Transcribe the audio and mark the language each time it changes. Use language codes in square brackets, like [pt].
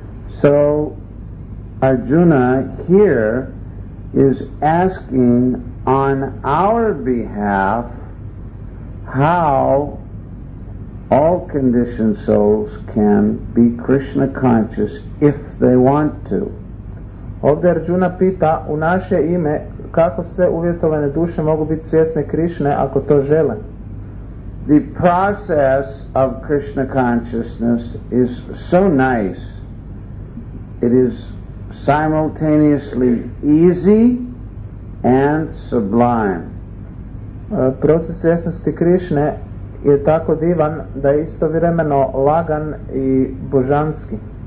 [en] So Arjuna here is asking on our behalf how all conditioned souls can be Krishna conscious if they want to. [hr] Ovdje Arjuna pita u naše ime kako sve uvjetovane duše mogu biti svjesne Krishne ako to žele. [en] The process of Krishna consciousness is so nice. It is simultaneously easy and sublime. [hr] Proces svjesnosti Krishne je tako divan da je istovremeno lagan i božanski.